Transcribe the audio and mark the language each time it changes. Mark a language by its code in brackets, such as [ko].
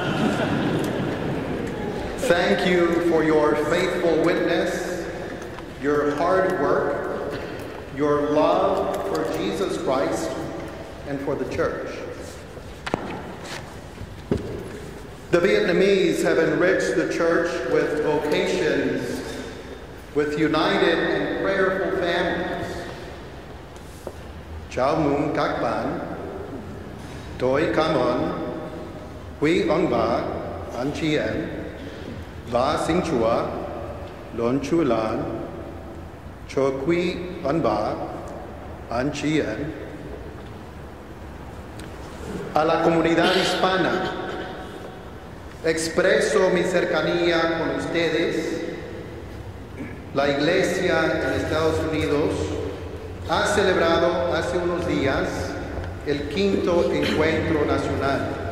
[en] Thank you for your faithful witness, your hard work, your love for Jesus Christ and for the church. The Vietnamese have enriched the church with vocations, with united and prayerful families. [vi] Chào mừng các bạn, tôi cảm ơn quý ông bà, anh chị em, và xin Chúa luôn chú lành cho quý ông bà, anh chị em. [es] A la comunidad hispana, expreso mi cercanía con ustedes. La Iglesia en Estados Unidos ha celebrado hace unos días el quinto encuentro nacional.